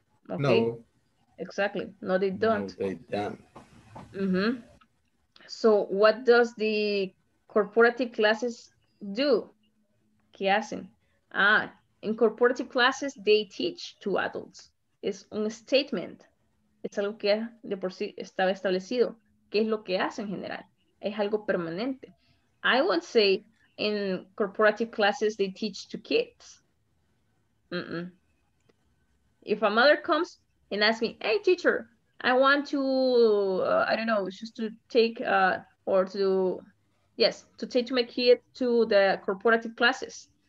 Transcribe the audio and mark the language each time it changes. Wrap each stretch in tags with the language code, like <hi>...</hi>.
<en>Okay. No. Exactly. No, they don't. No, they don't. Mm-hmm. So what does the corporative classes do?</en> <es>¿Qué hacen?</es> <en>Ah, in corporative classes, they teach to adults.</en> <es>Es un statement. Es algo que de por sí estaba establecido. ¿Qué es lo que hacen en general? Es algo permanente.</es> <en>I won't say in corporative classes, they teach to kids. Mm-mm. If a mother comes and asks me, hey, teacher, I want to, I don't know, just to take or to, yes, to take to my kid to the corporative classes.</en>